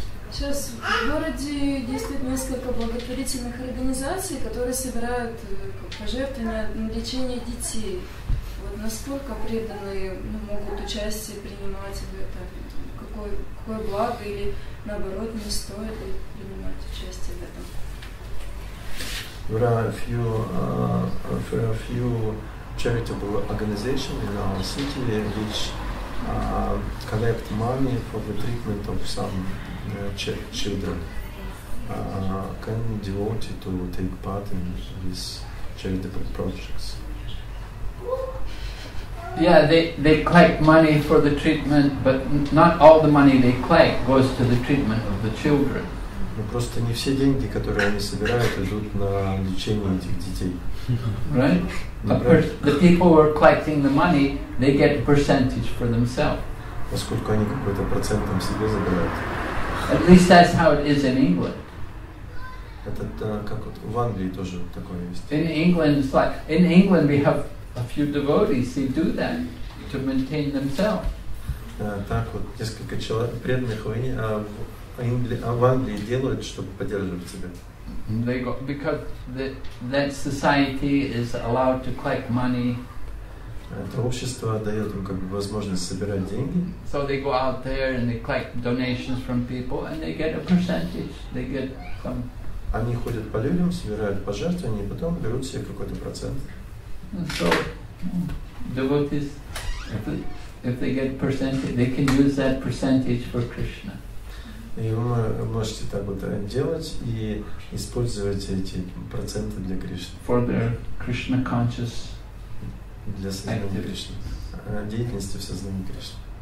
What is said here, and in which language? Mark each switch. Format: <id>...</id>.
<ru>Сейчас в городе действует несколько благотворительных организаций, которые собирают пожертвования на лечение детей. Вот насколько преданные могут участие принимать в этом? Какое благо или наоборот не стоит принимать участие в этом?</ru> <en>There are a few charitable organizations in our city which collect money for the treatment of some children. Can devote to take part in these charitable projects? Yeah, they collect money for the treatment, but not all the money they collect goes to the treatment of the children.</en> <ru>Ну просто не все деньги, которые они собирают, идут на лечение этих детей.</ru> <en>Right? The people who are collecting the money, they get a percentage for themselves.</en> <ru>Поскольку они какой-то процент там себе забирают.</ru> <en>At least that's how it is in England.</en> <ru>Это как вот в Англии тоже такое есть.</ru> <en>In England, it's like in England we have a few devotees. They do that to maintain themselves.</en> <ru>Так вот несколько человек преданных в Англии делают, чтобы поддерживать себя.</ru> <en>They go, because that society is allowed to collect money.</en> <ru>Это общество дает им как бы возможность собирать деньги.</ru> <en>So they go out there and they collect donations from people and they get a percentage. They get some.</en> <ru>Они ходят по людям, собирают пожертвования и потом берут себе какой-то процент.</ru> <en>So devotees, if they get percentage, they can use that percentage for Krishna.</en> <ru>И вы можете так вот делать и использовать эти проценты для Кришны.</ru> <en>For their Krishna conscious</en> <ru>для сознания Кришны. Деятельности в сознании Кришны.</ru>